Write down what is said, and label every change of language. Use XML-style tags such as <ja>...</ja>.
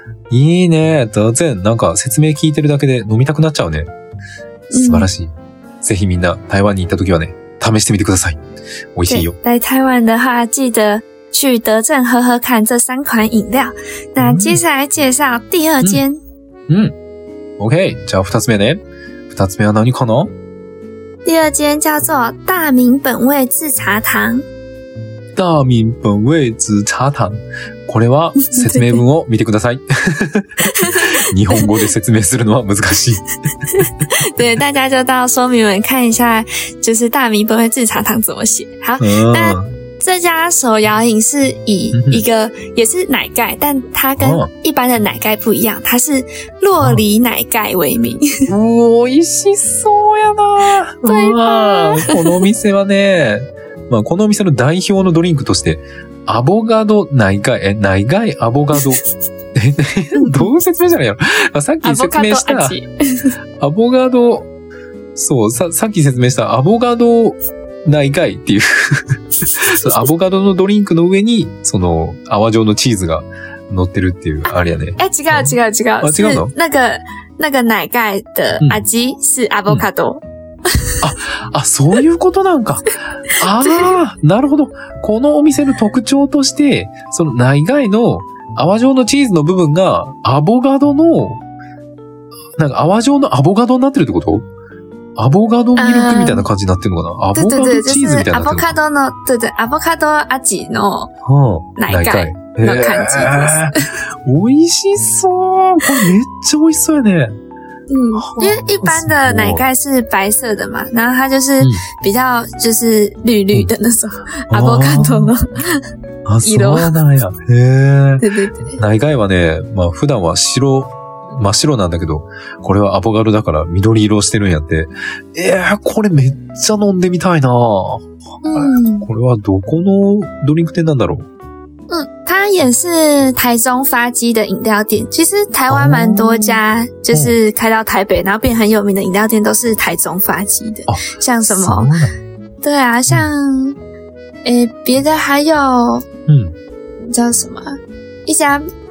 <ja>いいね。当然、なんか説明聞いてるだけで飲みたくなっちゃうね。素晴らしい。ぜひみんな台湾に行った時はね、試してみてください。美味しいよ。</ja> <zh>来台湾的话、记得去德政喝喝看这三款饮料。那接下来介绍第二间。</zh> <ja>OK。 じゃあ二つ目ね。二つ目は何かな？</ja> <zh>第二间叫做大名本味紫茶堂。大名本味紫茶堂。</zh> <ja>これは説明文を見てください。日本語で説明するのは難しい。</ja> <zh>对，大家就到说明文看一下，就是大名本味紫茶堂怎么写。好，那这家手摇饮是以一个也是奶盖，但它跟一般的奶盖不一样，它是洛梨奶盖为名。</zh> <ja>おいしそうやな。</ja> <zh>对吧？</zh> <ja>この店はね、まあこの店の代表のドリンクとしてアボガド奶盖、奶盖アボガド。どう説明じゃないやろ。さっき説明したアボガド、そう、さっき説明したアボガド奶盖っていう。アボカドのドリンクの上に、その、泡状のチーズが乗ってるっていう、あれやね。え、違う。あ、違うの？</ja> <zh>那个奶盖的味是アボカド。</zh> <ja>あ、そういうことなんか。ああ、なるほど。このお店の特徴として、その奶盖の泡状のチーズの部分が、アボカドの、なんか泡状のアボカドになってるってこと？アボカドミルクみたいな感じになってるのかな、アボカドチーズみたいな。アボカドの、アボカド味の内蓋の感じです。美味しそう。これめっちゃ美味しそうやね。</ja> <zh>因为一般的奶盖是白色的嘛，然后它就是比较就是绿绿的那种，アボカドの</zh> <ja>色。あ、そうなんや。へえ。</ja> <zh>对对对。</zh> <ja>内蓋はね、まあ普段は白。真っ白なんだけど、これはアボガドだから緑色してるんやって。これめっちゃ飲んでみたいな。これはどこのドリンク店なんだろう。</ja> <zh>它也是台中发迹的饮料店。其实台湾蛮多家，就是开到台北，然后变很有名的饮料店都是台中发迹的。像什么？对啊，像别的还有叫什么一家。</zh>